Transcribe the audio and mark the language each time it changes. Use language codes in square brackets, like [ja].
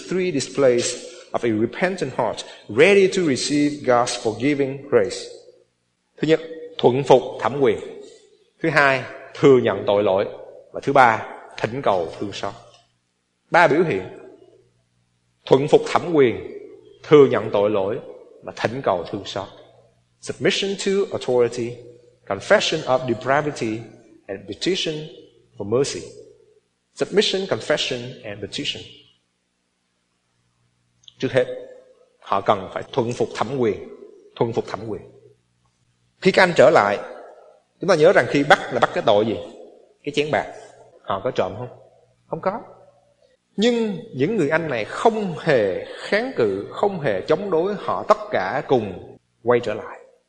[en] Three displays of a repentant heart ready to receive God's forgiving grace. [vi] Thứ nhất, thuận phục thẩm quyền. Thứ hai, thừa nhận tội lỗi. Và thứ ba, thỉnh cầu thương xót. Ba biểu hiện: thuận phục thẩm quyền, thừa nhận tội lỗi và thỉnh cầu thương xót. [en] Submission to authority, confession of depravity, and petition for mercy. Submission, confession, and petition. [vi] Trước hết, họ cần phải thuận phục thẩm quyền. Thuận phục thẩm quyền. Khi các anh trở lại, chúng ta nhớ rằng khi bắt là bắt cái tội gì? Cái chén bạc. Họ có trộm không? Không có. Nhưng những người anh này không hề kháng cự, không hề chống đối, họ tất cả cùng quay trở lại.